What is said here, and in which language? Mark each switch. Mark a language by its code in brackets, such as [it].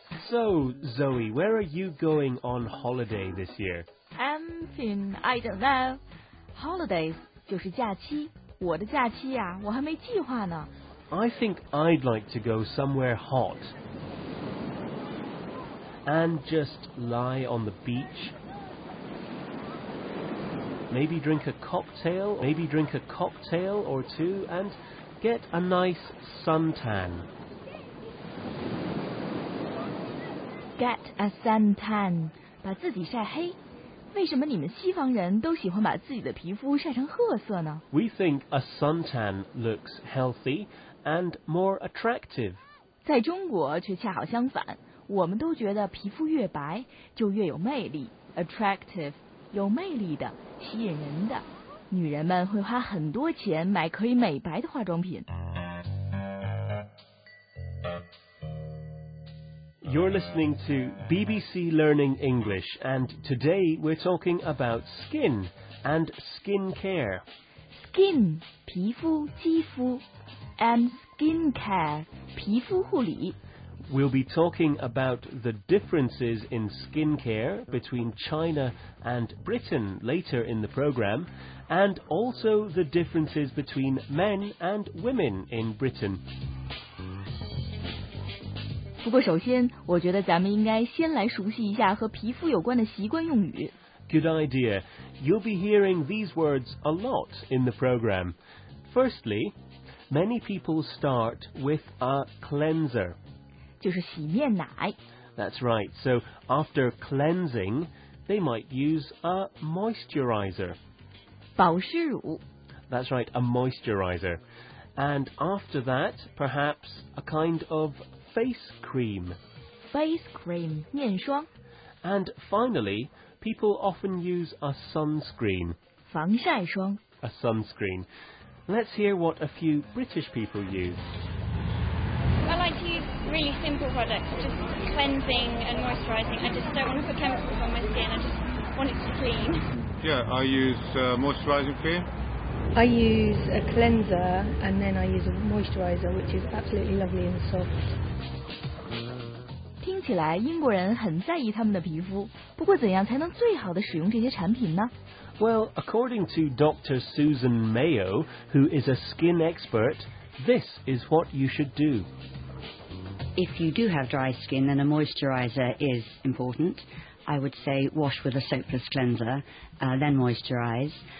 [en] So, Zoe, where are you going on holiday this year? Anything, I don't know. [zh] Holidays 就是假期。我的假期呀，我还没计划呢。 [en] I think I'd like to go somewhere hot and just lie on the beach. Maybe drink a cocktail or two and get a nice suntan. Get a suntan, [zh] 把自己晒黑。为什么你们西方人都喜欢把自己的皮肤晒成褐色呢？ [en] We think a suntan looks healthy and more attractive. [zh] 在中国却恰好相反，我们都觉得皮肤越白就越有魅力， attractive， 有魅力的，吸引人的。女人们会花很多钱买可以美白的化妆品。 [en] You're listening to BBC Learning English, and today we're talking about skin and skin care. Skin, [zh] 皮肤、肌肤, [en] and skin care, [zh] 皮肤护理。 [en] We'll be talking about the differences in skin care between China and Britain later in the program, and also the differences between men and women in Britain. [zh] 不过首先我觉得咱们应该先来熟悉一下和皮肤有关的习惯用语。 [en] Good idea. You'll be hearing these words a lot in the program. Firstly, many people start with a cleanser. [zh] 就是洗面奶。 [en] That's right. So after cleansing, they might use a moisturizer. [zh] 保湿乳。 [en] That's right, a moisturizer. And after that, perhaps a kind ofFace cream. Face cream, [zh] 面霜. [en] And finally, people often use a sunscreen. [zh] 防晒霜. [en] A sunscreen. Let's hear what a few British people use. I like to use really simple products, just cleansing and moisturising. I just don't want to put chemicals on my skin, I just want it to clean. Yeah, I use moisturising cream. I use a cleanser and then I use a moisturizer, which is absolutely lovely and soft. [zh] 听起来英国人很在意他们的皮肤，不过怎样才能最好地使用这些产品呢？ [en] Well, according to Dr. Susan Mayo, who is a skin expert, this is what you should do. If you do have dry skin, then a moisturizer is important. I would say wash with a soapless cleanser, then moisturize.